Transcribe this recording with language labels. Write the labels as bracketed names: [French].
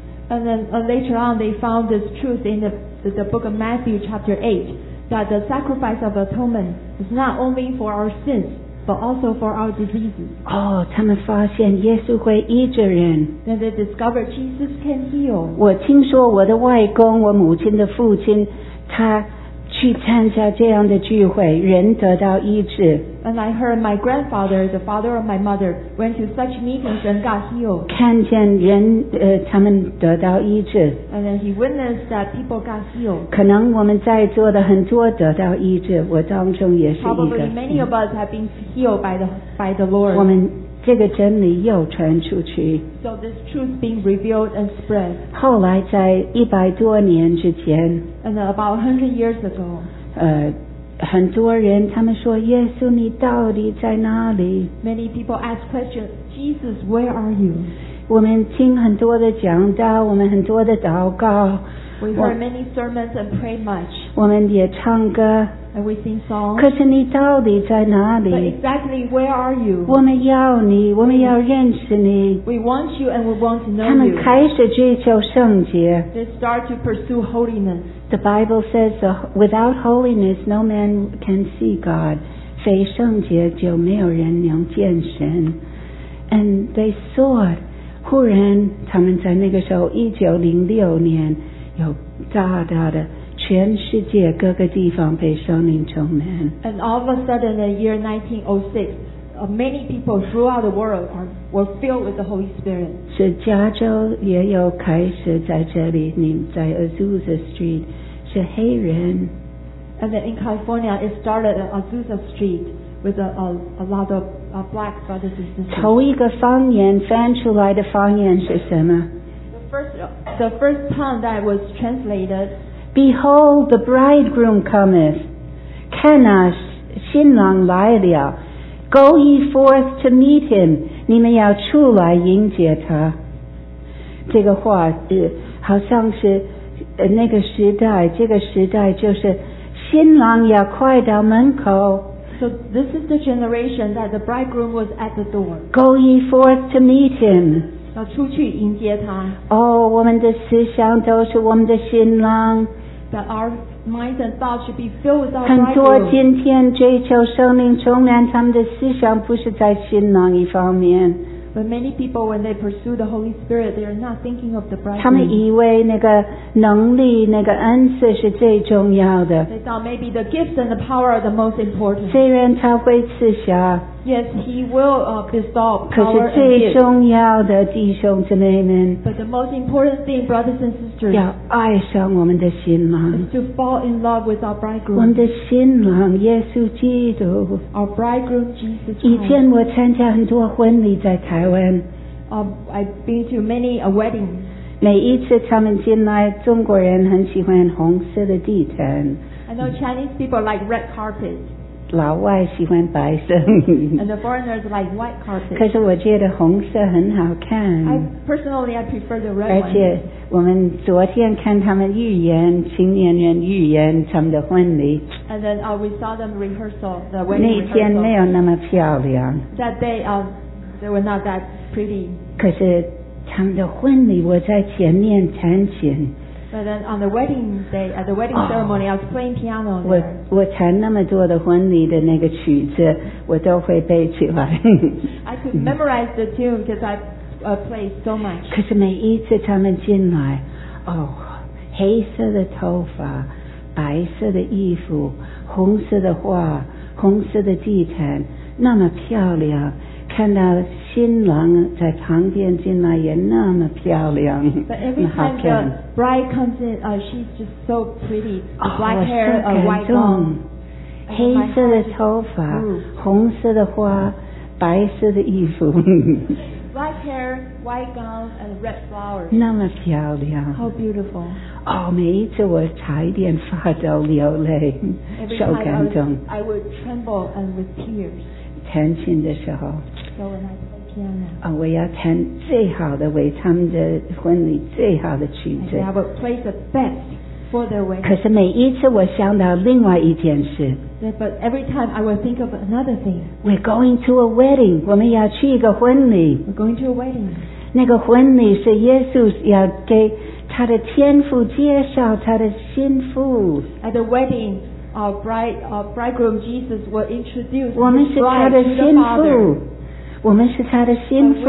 [English] And then later on, they found this truth in the book of Matthew chapter 8, that the sacrifice of atonement is not only for our sins, but also for our diseases. [Chinese] Oh, 他们发现耶稣会医治人。 [English] Then they discovered Jesus can heal. [Chinese] 我听说我的外公，我母亲的父亲，他去参加这样的聚会，人得到医治。 [English] And I heard my grandfather, the father of my mother, went to such meetings and got healed. [Chinese] 看见人他们得到医治。 [English] And then he witnessed that people got healed. [Chinese] 可能我们在座的很多得到医治，我当中也是一个。 [English] Probably many of us have been healed by the Lord. [Chinese] 我们这个真理又传出去。 [English] So this truth being revealed and spread. [Chinese] 后来在一百多年之前。 [English] And about 100 years ago. [Chinese] 很多人他们说耶稣你到底在哪里 [English] Many people ask questions Jesus where are you [Chinese] 我们听很多的讲道我们很多的祷告 [English] We heard many sermons and pray much [Chinese] 我们也唱歌 [English] And we sing songs [Chinese] 可是你到底在哪里 [English] But exactly where are you [Chinese] 我们要你我们要认识你 [English] We want you and we want to know you [Chinese] 他们开始追求圣洁 [English] They start to pursue holiness The Bible says, without holiness, no man can see God. [Chinese] 非圣洁就没有人能见神。 [English] And they sought, [Chinese] 忽然他们在那个时候1906年有大大的全世界各个地方被圣灵充满。 [English] And all of a sudden, in the year 1906,many people throughout the world were filled with the Holy Spirit. [Chinese] 是加州也有开始在这里，你在 Azusa Street 是黑人。 [English] And then in California, it started at Azusa Street with a lot of black brothers and sisters. [Chinese] 头一个方言翻出来的方言是什么 [English] The first tongue that was translated, Behold, the bridegroom cometh. [Chinese] 看啊，新郎来了。 [English] Go ye forth to meet him. [Chinese] 你们要出来迎接他。这个话好像是那个时代，这个时代就是新郎要快到门口。 [English] So this is the generation that the bridegroom was at the door. Go ye forth to meet him. [Chinese] 要出去迎接他。 Oh, 我们的思想都是我们的新郎。 [English] That our minds and thoughts should be filled with our [Chinese] 很多今天追求生命充满他们的思想不是在新郎一方面 [English] But many people when they pursue the Holy Spirit they are not thinking of the bridegroom [Chinese] 他们以为那个能力那个恩赐是最重要的 [English] They thought maybe the gifts and the power are the most important [Chinese] 虽然他会赐下 [English] Yes, he will bestow power [Chinese] 可是最重要的弟兄姊妹们 [English] But the most important thing brothers and sisters [Chinese] 要爱上我们的新郎 [English] to fall in love with our bridegroom [Chinese] 我们的新郎耶稣基督 [English] our bridegroom Jesus Christ [Chinese] 以前我参加很多婚礼在台湾 [English] I've been to many a wedding [Chinese] 每一次他们进来中国人很喜欢红色的地毯 [English] I know Chinese people like red carpet [Chinese] 老外喜欢白色 [English] and the foreigners like white carpet [Chinese] 可是我觉得红色很好看 [English] I personally prefer the red [Chinese] 而且我们昨天看他们预言青年人预言他们的婚礼 [English] And then we saw them rehearsal the wedding rehearsal [Chinese] 那天没有那么漂亮 [English] That day they were not that pretty [Chinese] 可是他们的婚礼我在前面弹琴 [English] But then on the wedding day at the wedding ceremony I was playing piano there [Chinese] 我弹那么多的婚礼的那个曲子我都会背起来 [English] I could memorize the tune because play so much [Chinese] 可是每一次他们进来哦，黑色的头发白色的衣服红色的花红色的地毯那么漂亮看到新郎在旁边进来也那么漂亮 [English] But every time [Chinese] 好看 [English] the bride comes in she's just so pretty the black hair a white gown [Chinese] 黑色的头发红色的花白色的衣服 [English] Black hair, white gown, and red flowers. [Chinese] 那么漂亮. [English] How beautiful. [Chinese] 哦，每一次我差一点发抖流泪, [English] so [Chinese] 感动. [English] I would tremble and with tears. [Chinese] 弹琴的时候, [English] so when I play piano, [Chinese] 我要弹最好的为他们的婚礼最好的曲子. [English] I would play the best. [Chinese] 可是每一次我想到另外一件事, [English] but every time I will think of another thing. We're going to a wedding. [Chinese] 我们要去一个婚礼. [English] We're going to a wedding. [Chinese] 那个婚礼是耶稣要给他的天父介绍他的新妇. [English] At the wedding, our bride, our bridegroom Jesus will introduce his bride to the Father. [Chinese] 我们是他的新妇.